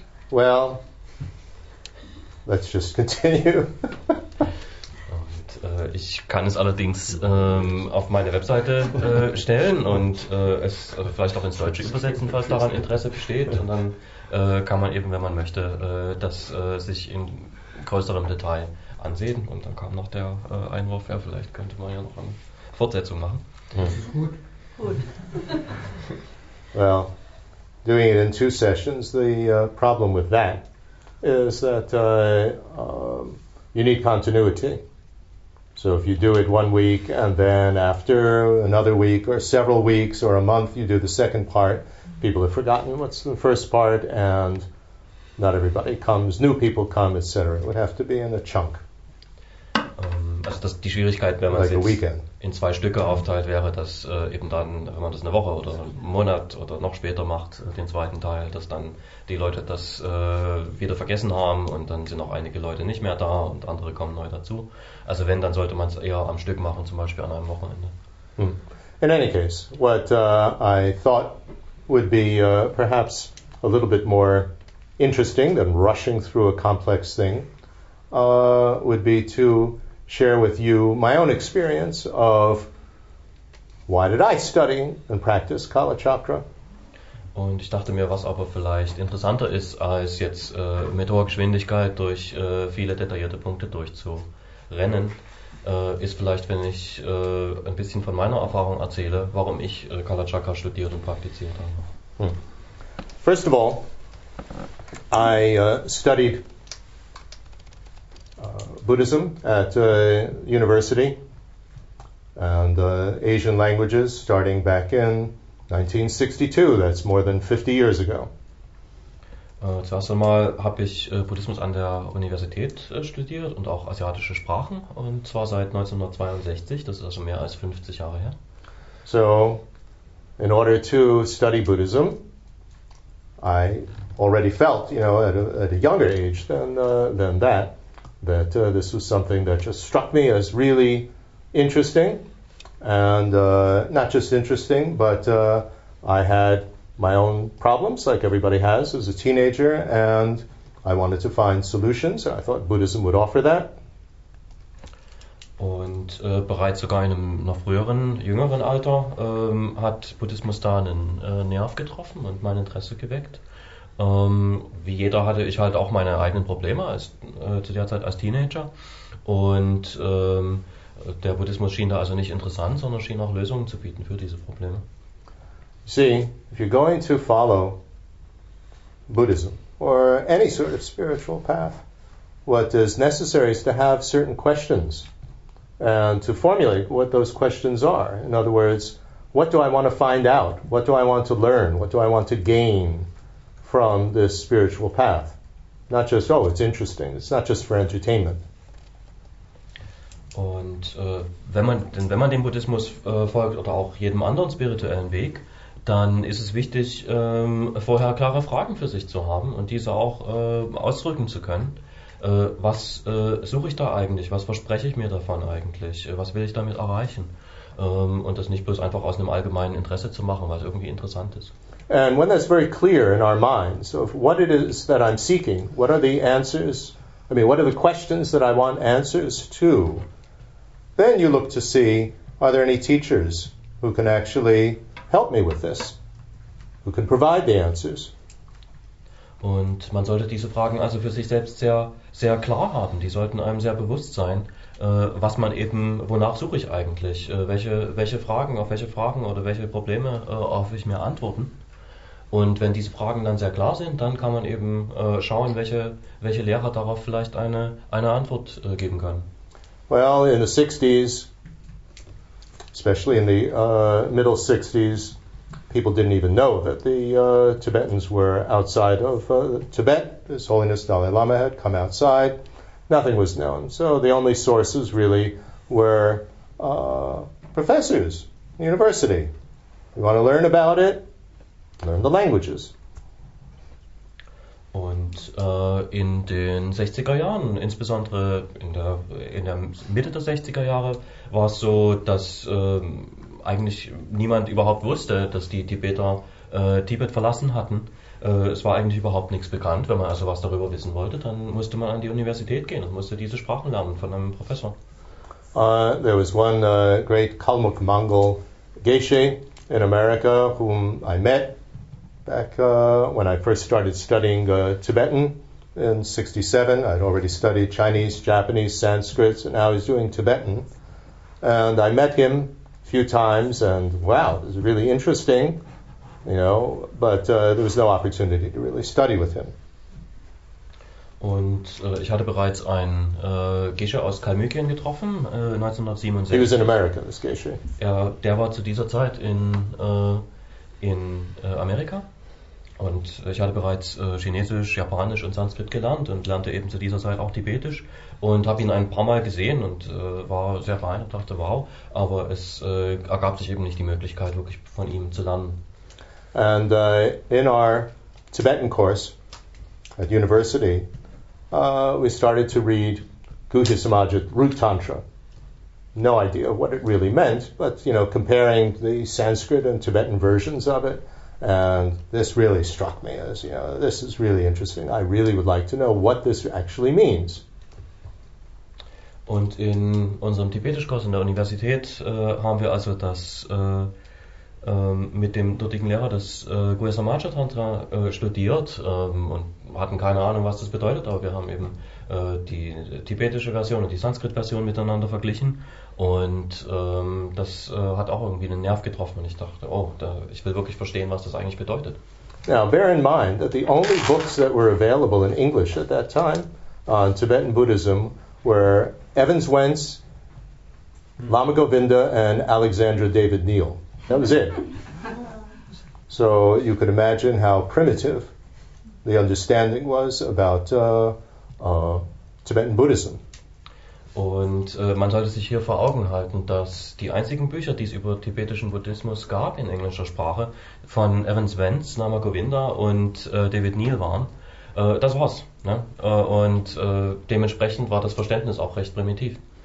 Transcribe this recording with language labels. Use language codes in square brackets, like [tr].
[en] Well, let's just continue. [de] Und, ich kann es allerdings auf meine Webseite stellen und es vielleicht auch ins Deutsche übersetzen, falls daran Interesse besteht. Und dann kann man eben, wenn man möchte, das sich in größerem Detail ansehen. Und dann kam noch der Einwurf, ja, vielleicht könnte man ja noch eine Fortsetzung machen. Gut. [en] Well, doing it in two sessions, the problem with that is that you need continuity. So if you do it 1 week and then after another week or several weeks or a month you do the second part, people have forgotten what's the first part and not everybody comes, new people come, etc. It would have to be in a chunk. [de] dass die Schwierigkeit, wenn man es jetzt in zwei Stücke aufteilt, wäre, dass eben dann, wenn man das eine Woche oder einen Monat oder noch später macht, den zweiten Teil, dass dann die Leute das wieder vergessen haben und dann sind auch einige Leute nicht mehr da und andere kommen neu dazu. Also wenn, dann sollte man es eher am Stück machen, zum Beispiel an einem Wochenende. [en] In any case, what I thought would be perhaps a little bit more interesting than rushing through a complex thing would be to share with you my own experience of why did I study and practice Kalachakra. [de] Und ich dachte mir, was aber vielleicht interessanter ist, als jetzt mit hoher Geschwindigkeit durch viele detaillierte Punkte durchzurennen, ist vielleicht, wenn ich ein bisschen von meiner Erfahrung erzähle, warum ich Kalachakra studiert und praktiziert habe. [en] First of all, I studied Buddhism at university and Asian languages starting back in 1962. That's more than 50 years ago. [de] Zuerst einmal habe ich Buddhismus an der Universität studiert und auch asiatische Sprachen, und zwar seit 1962. Das ist also mehr als 50 Jahre her. [en] So, in order to study Buddhism, I already felt, you know, at a younger age than that, that this was something that just struck me as really interesting, and not just interesting, but I had my own problems, like everybody has as a teenager, and I wanted to find solutions. I thought Buddhism would offer that. [de] Und bereits sogar in einem noch früheren, jüngeren Alter hat Buddhismus da einen Nerv getroffen und mein Interesse geweckt. Wie jeder hatte ich halt auch meine eigenen Probleme als, zu der Zeit als Teenager. Und der Buddhismus schien da also nicht interessant, sondern schien auch Lösungen zu bieten für diese Probleme. [en] See, if you're going to follow Buddhism or any sort of spiritual path, what is necessary is to have certain questions and to formulate what those questions are. In other words, what do I want to find out? What do I want to learn? What do I want to gain from this spiritual path? Not just, oh, it's interesting. It's not just for entertainment. [de] Und wenn man dem Buddhismus folgt oder auch jedem anderen spirituellen Weg, dann ist es wichtig, vorher klare Fragen für sich zu haben und diese auch ausdrücken zu können. Was suche ich da eigentlich? Was verspreche ich mir davon eigentlich? Was will ich damit erreichen? Und das nicht bloß einfach aus einem allgemeinen Interesse zu machen, weil es irgendwie interessant ist. [en] And when that's very clear in our minds of what it is that I'm seeking, what are the answers, I mean, what are the questions that I want answers to, then you look to see, are there any teachers who can actually help me with this, who can provide the answers? [de] Und man sollte diese Fragen also für sich selbst sehr, sehr klar haben. Die sollten einem sehr bewusst sein, was man eben, wonach suche ich eigentlich? Welche Fragen oder welche Probleme erhoffe ich mir Antworten? Und wenn diese Fragen dann sehr klar sind, dann kann man eben schauen, welche Lehrer darauf vielleicht eine Antwort geben können. [en] Well, in the 60s, especially in the middle 60s, people didn't even know that the Tibetans were outside of Tibet. His Holiness Dalai Lama had come outside. Nothing was known. So the only sources really were professors, university. You want to learn about it? Learn the languages. [de] Und in den 60er Jahren, insbesondere in der Mitte der 60er Jahre, war es so, dass eigentlich niemand überhaupt wusste, dass die Tibeter Tibet verlassen hatten. Es war eigentlich überhaupt nichts bekannt. Wenn man also was darüber wissen wollte, dann musste man an die Universität gehen und musste diese Sprachen lernen von einem Professor. [en] There was one great Kalmuk Mongol Geshe in America, whom I met back when I first started studying Tibetan in 67. I'd already studied Chinese, Japanese, Sanskrit, and now he's doing Tibetan. And I met him few times, and wow, it was really interesting, you know, but there was no opportunity to really study with him. [de] Und ich hatte bereits einen Geshe aus Kalmykien getroffen, 1967. [en] He was in America, this Geshe. [de] Der war zu dieser Zeit in Amerika, Und ich hatte bereits Chinesisch, Japanisch und Sanskrit gelernt und lernte eben zu dieser Zeit auch Tibetisch und habe ihn ein paar Mal gesehen und war sehr beeindruckt und dachte, wow, aber es ergab sich eben nicht die Möglichkeit, wirklich von ihm zu lernen. [en] And in our Tibetan course at university, we started to read Guhya Samajit Root Tantra. No idea what it really meant, but you know, comparing the Sanskrit and Tibetan versions of it, and this really struck me as, you know, this is really interesting. I really would like to know what this actually means. [de] Und in unserem Tibetisch-Kurs in der Universität haben wir also das mit dem dortigen Lehrer das Guhya Samajit Tantra studiert und hatten keine Ahnung, was das bedeutet, aber wir haben eben die tibetische Version und die Sanskrit-Version miteinander verglichen und das hat auch irgendwie einen Nerv getroffen und ich dachte, oh, da, ich will wirklich verstehen, was das eigentlich bedeutet. [en] Now, bear in mind that the only books that were available in English at that time on Tibetan Buddhism were Evans Wentz, Lama Govinda and Alexandra David Neal. That was it. So you could imagine how primitive the understanding was about Tibetan Buddhism. [de] Und man sollte sich hier vor Augen halten, dass die einzigen Bücher, die es über tibetischen Buddhismus gab in englischer Sprache, von Evans Wentz, Lama Govinda und David Neal waren. Das war's. Ne? Und dementsprechend war das Verständnis auch recht primitiv.